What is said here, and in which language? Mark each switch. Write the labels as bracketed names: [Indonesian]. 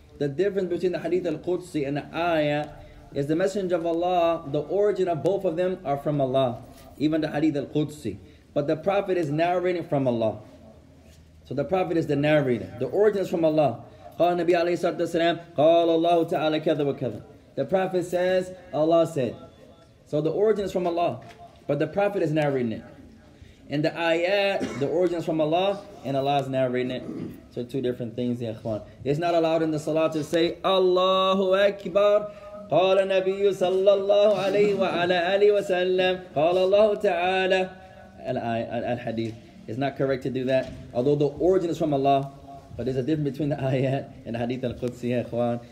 [English] The difference between the hadith al-Qudsi and the ayah is the messenger of Allah, the origin of both of them are from Allah, even the hadith al-Qudsi. But the prophet is narrating from Allah. So the prophet is the narrator. The origin is from Allah. [Arabic] قال النبي عليه الصلاة والسلام قال الله تعالى كذا وكذا. [English] The prophet says, Allah said. So the origin is from Allah, but the prophet is narrating it. And the ayat, the origin is from Allah, and Allah is narrating it. So two different things, ya ikhwan. It's not allowed in the salah to say, Allahu Akbar. [Arabic] قال النبي صلى الله عليه وعلى آله وسلم قال الله تعالى الحديث. [English] It's not correct to do that. Although the origin is from Allah, but there's a difference between the ayat and the hadith al-Qudsi, ya ikhwan.